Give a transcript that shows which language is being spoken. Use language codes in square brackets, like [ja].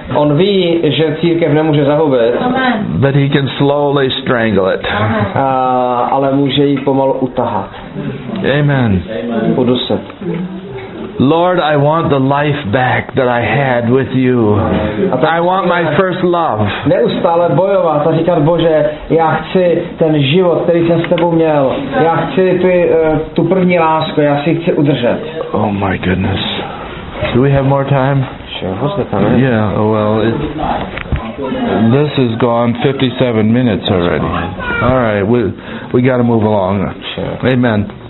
[cs] On ví, že církev nemůže zahubit. [en] But he can slowly strangle it. [cs] Ale může ji pomalu utahat. [en] Amen. [cs] Budu se. [en] Lord, I want the life back that I had with you. I want my first love. [cs] Neustále bojovat a říkat, Bože, já chci ten život, který jsem s tebou měl. Já chci tu první lásku, já si chci udržet. [en] Oh my goodness. Do we have more time? Yeah, well, this has gone 57 minutes already. All right, we got to move along. Amen.